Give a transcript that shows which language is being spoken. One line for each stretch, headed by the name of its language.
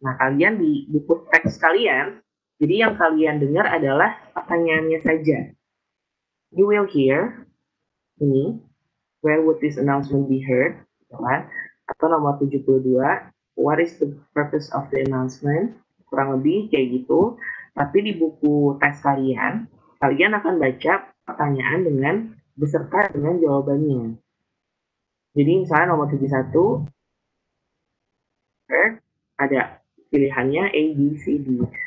Indonesian: Nah, kalian di buku teks kalian, jadi yang kalian dengar adalah pertanyaannya saja.
English: You will hear ini, where would this announcement be heard?
Indonesian: Atau nomor 72,
English: what is the purpose of the announcement?
Indonesian: Kurang lebih kayak gitu. Tapi di buku teks kalian, kalian akan baca pertanyaan dengan beserta dengan jawabannya. Jadi misalnya nomor 71, ada pilihannya A, B, C, D.